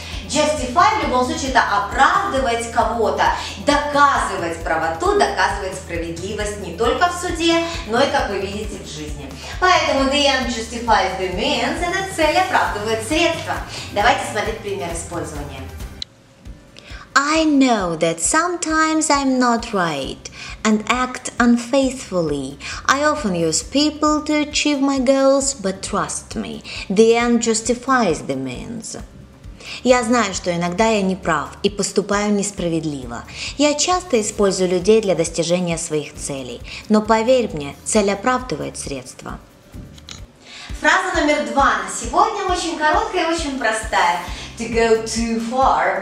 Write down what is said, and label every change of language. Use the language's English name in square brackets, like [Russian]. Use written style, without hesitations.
[Russian] Justify в любом случае это оправдывать кого-то, доказывать правоту, доказывать справедливость не только в суде, но и, как вы видите, в жизни. Поэтому [English] the end justifies the means, [Russian] это цель оправдывает средства. Давайте смотреть пример использования. [English] I know that sometimes I'm not right and act unfaithfully. I often use people to achieve my goals, but trust me, the end justifies the means. [Russian] Я знаю, что иногда я не прав и поступаю несправедливо. Я часто использую людей для достижения своих целей. Но поверь мне, цель оправдывает средства. Фраза номер 2 на сегодня очень короткая и очень простая. [English] To go too far.